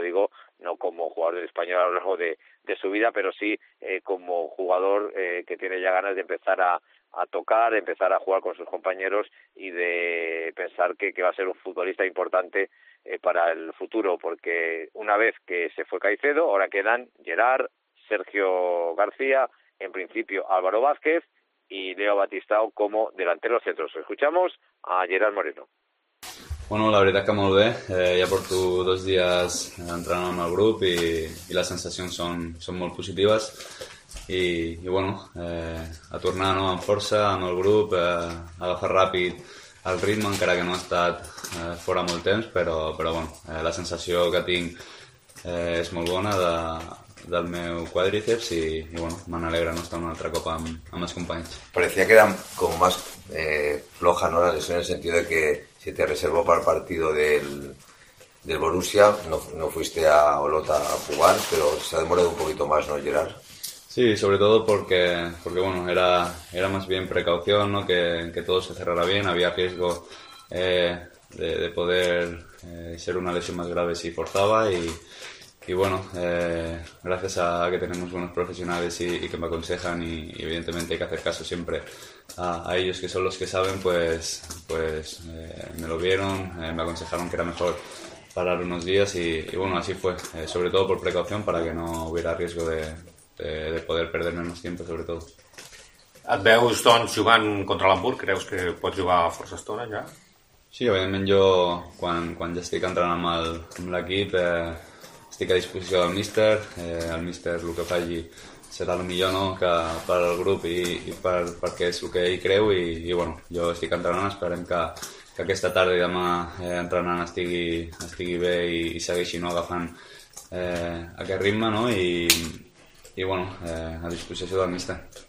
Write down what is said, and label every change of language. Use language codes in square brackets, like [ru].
[es] Lo digo no como jugador del Español a lo largo de su vida, pero sí como jugador que tiene ya ganas de empezar a tocar, empezar a jugar con sus compañeros y de pensar que va a ser un futbolista importante para el futuro, porque una vez que se fue Caicedo, ahora quedan Gerard, Sergio García, en principio Álvaro Vázquez y Leo Batistao como delanteros centros. Escuchamos a Gerard Moreno. [ca] Bueno, la veritat que molt bé. Ja porto dos dies entrenant amb el grup i les sensacions són molt positives. I a tornar, no, amb força, amb el grup, agafar ràpid el ritme, encara que no ha estat fora molt temps, però la sensació que tinc és molt bona del meu quadríceps i m'alegra no estar un altre cop amb els companys. [es] Parecía que eran como más floja, ¿no?, la lesión, en el sentido de que se te reservó para el partido del Borussia, no fuiste a Olot a jugar, pero se ha demorado un poquito más, ¿no, Gerard? Sí, sobre todo porque era más bien precaución, ¿no?, que todo se cerrara bien. Había riesgo de poder ser una lesión más grave si forzaba y gracias a que tenemos buenos profesionales y que me aconsejan y evidentemente hay que hacer caso siempre a ellos, que son los que saben, pues me lo vieron, me aconsejaron que era mejor parar unos días y así fue, sobre todo por precaución, para que no hubiera riesgo de poder perderme más tiempo, sobre todo. [ca] ¿Et veus, doncs, jugant contra l'Hamburg? ¿Creus que pots jugar força estona ja? Sí, evidentment jo, quan ja estic entrenant amb l'equip, estic a disposició del míster. El míster el que faci serà el millor, no, que per al grup i perquè és el que ell creu i jo estic entrenant, esperem que aquesta tarda i demà entrenant estigui bé i segueixi, no, agafant aquest ritme, no, i a disposició del míster.